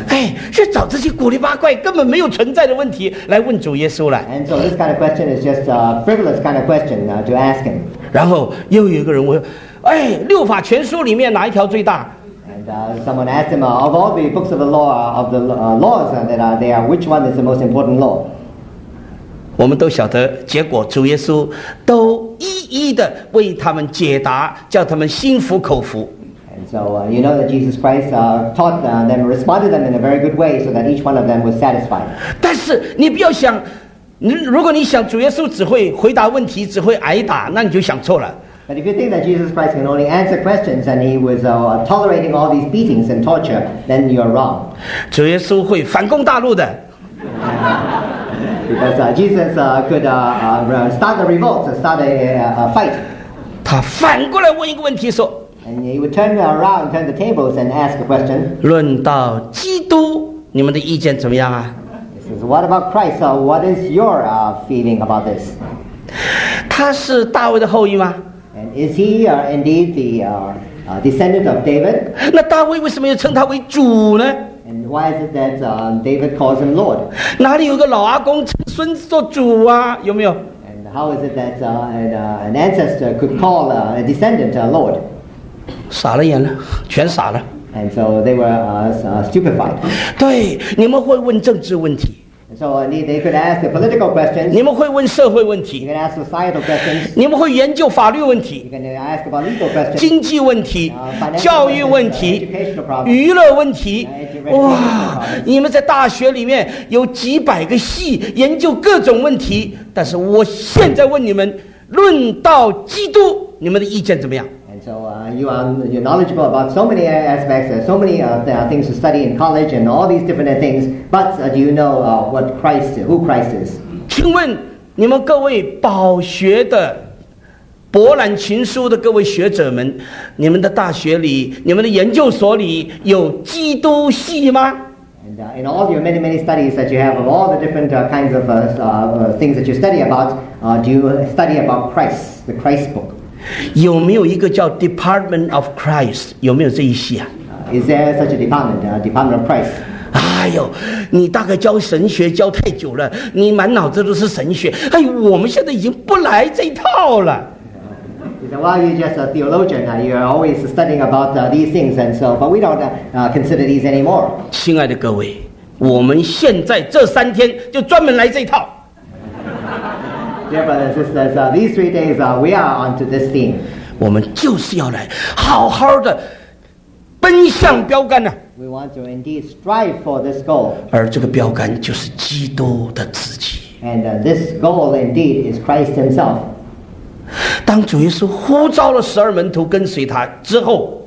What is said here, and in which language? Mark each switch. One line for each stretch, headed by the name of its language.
Chinese: 哎，去找这些古里八怪根本没有存在的问题来问主耶稣了。
English: And so this kind of question is just a frivolous kind of question to ask him.
Chinese: 然后又有一个人问，哎，六法全书里面哪一条最大？
English: Someone asked him of all the books of the law, of the laws that are there, which one is the most important law?
Chinese: 我们都晓得，结果主耶稣都一一的为他们解答，叫他们心服口服。
English: And so you know that Jesus Christ taught them, responded them in a very good way, so that each one of them was satisfied.
Chinese: 但是你不要想，如果你想主耶稣只会回答问题，只会挨打，那你就想错了。
English: But if you think that Jesus Christ can only answer questions and he was tolerating all these beatings and torture, then you're wrong.
Chinese: 主耶稣会反攻大陆的。
English: Because Jesus could start a revolt, start a fight.
Chinese: 他反过来问一个问题说。
English: And he would turn around, turn the tables and ask a question.
Chinese: 论到基督，你们的意见怎么样啊？
English: He says, what about Christ? What is your feeling about this?
Chinese: 他是大卫的后裔吗？
English: Is he indeed the descendant of David?
Chinese: 那大卫为什么要称他为主呢？
English: And why is it that David calls him Lord?
Chinese: 哪里有个老阿公称孙子做主啊？有没有？
English: And how is it that an ancestor could call a descendant Lord?
Chinese: 傻了眼了，全傻了。
English: And so they were stupefied.
Chinese: 对，你们会问政治问题。
English: So they could ask the political questions.
Chinese: 你们会问社会问题。
English: You can ask societal questions.
Chinese: 你们会研究法律问题。
English: You can ask about legal questions.
Chinese: 经济问题、教育问题、
English: educational problems,
Chinese: 娱乐问题。哇，你们在大学里面有几百个系研究各种问题，但是我现在问你们，论到基督，你们的意见怎么样？
English: And so you're knowledgeable about so many aspects, so many things to study in college and all these different things. But do you know what Christ, who Christ is?
Chinese: 请问你们各位饱学的、博览群书的各位学者们，你们的大学里、你们的研究所里有基督系吗？
English: And, in all your many, many studies that you have of all the different kinds of things that you study about, do you study about Christ, the Christ book?
Chinese: 有没有一个叫
English: Department of Christ?
Chinese: 有没有这一系啊？
English: Is there such a department, Department of Christ?
Chinese: 哎呦，你大概教神学教太久了，你满脑子都是神学。哎呦，我们现在已经不来这套了。
English: He said, "Well, you're just a theologian. You're always studying about these things, and so, but we don't consider these anymore."
Chinese: 亲爱的各位，我们现在这三天就专门来这套。
English: Dear brothers and sisters, these 3 days, we are onto this theme.
Chinese: 我们就是要来好好的奔向标杆呢。
English: We want to indeed strive for this goal.
Chinese: 而这个标杆就是基督的自己。
English: And this goal indeed is Christ himself.
Chinese: 当主耶稣呼召了十二门徒跟随他之后，